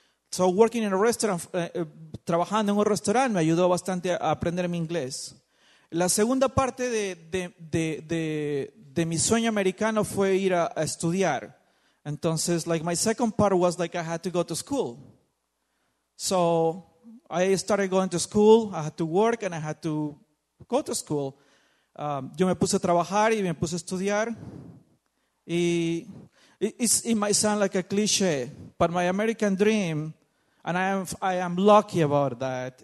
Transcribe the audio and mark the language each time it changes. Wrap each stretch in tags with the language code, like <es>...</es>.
<en>So working in a restaurant,</en> <es>trabajando en un restaurante, me ayudó bastante a aprender mi inglés. La segunda parte de mi sueño americano fue ir a estudiar.</es> <en>Entonces, like my second part was like I had to go to school. So I started going to school. I had to work and I had to go to school.</en> <es>Yo me puse a trabajar y me puse a estudiar.</es> <en>Y it might sound like a cliche, but my American dream, and I am lucky about that.</en>